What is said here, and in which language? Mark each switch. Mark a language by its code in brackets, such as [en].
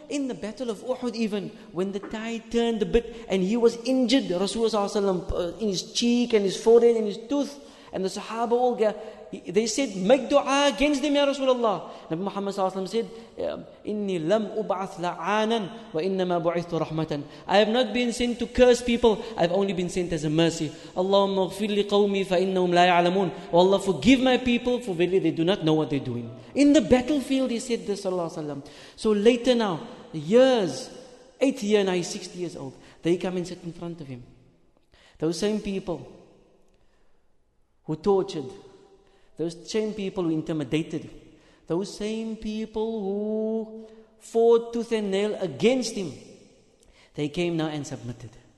[en] In the battle of Uhud, even when the tide turned a bit and he was injured, Rasulullah in his cheek and his forehead and his tooth, and the Sahaba all got, they said, make dua against them, Ya Rasulullah. [ar] Nabi Muhammad sallallahu alayhi wa sallam said, إِنِّي لَمْ أُبْعَثْ لَعَانًا وَإِنَّمَا بُعِثْتُ رَحْمَةً. [en] I have not been sent to curse people. I've only been sent as a mercy. [ar] اللهم اغفر لقومي فإنهم لا يعلمون. [en] Oh Allah, forgive my people, for verily they do not know what they're doing. In the battlefield, he said this, sallallahu alayhi wa sallam. So later now, years, 8th year now, he's 60 years old. They come and sit in front of him. Those same people who tortured, those same people who intimidated, those same people who fought tooth and nail against him, they came now and submitted.